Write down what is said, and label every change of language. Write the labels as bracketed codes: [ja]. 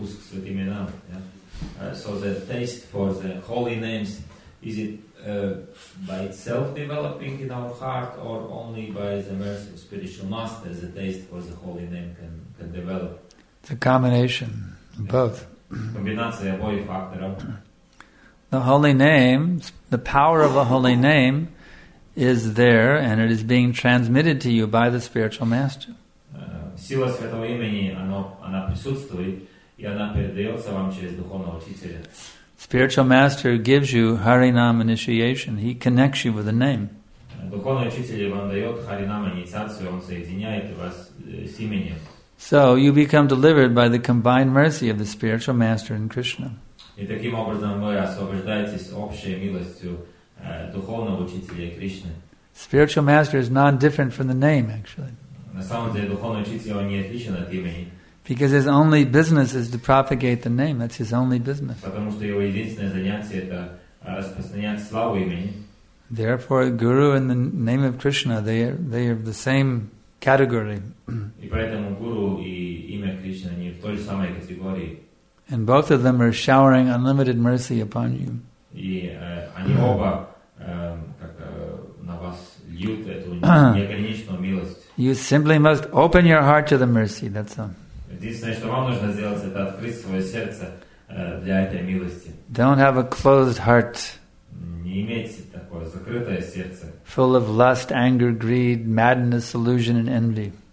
[en] So the taste for the holy names, is it by itself developing in our heart, or only by the mercy of spiritual master the taste for the holy name can develop? It's a combination, both. [ru] Combinация обоих факторов. [en] The holy name, the power of the holy name, is there, and it is being transmitted to you by the spiritual master. [ru] Сила святого имени, она присутствует, и она передается вам через духовного учителя. [en] Spiritual master gives you Harinam initiation. He connects you with the name. [ru] Духовный учитель вам дает Харинам инициацию, он соединяет вас с именем. [en] So you become delivered by the combined mercy of the spiritual master and Krishna. [ru] И таким образом вы освобождаетесь общей милостью духовного учителя Кришны. [en] Spiritual master is non-different from the name, actually. [ru] На самом деле духовный учитель не отличен от имени. [en] Because his only business is to propagate the name. That's his only business. [ru] Потому что его единственное занятие это распространять славу имени. [en] Therefore, guru and the name of Krishna, they are the same category. [ru] И поэтому гуру и имя Кришны они в той же самой категории. [en] And both of them are showering unlimited mercy upon you. [ru] И они оба на вас льют эту неограниченную милость. [en] You simply must open your heart to the mercy. That's all. [ru] Единственное, что вам нужно сделать, это открыть свое сердце для этой милости. [en] Don't have a closed heart. [ru] Не иметь такое закрытое сердце. [en] Full of lust, anger, greed, madness, illusion, and envy.